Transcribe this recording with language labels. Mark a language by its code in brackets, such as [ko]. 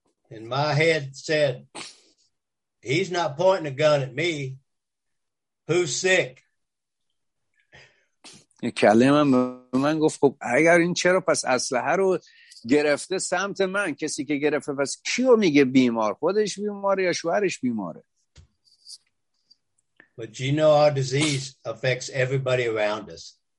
[en] And my head said, "He's not pointing a gun at me. Who's sick?" [fa] کله من به من گفت خب اگر این چرا پس اسلحه رو گرفته سمت من، کسی که گرفته پس کیو میگه بیمار، خودش بیماره یا شوهرش بیماره؟ [en] But you know our disease affects everybody around us.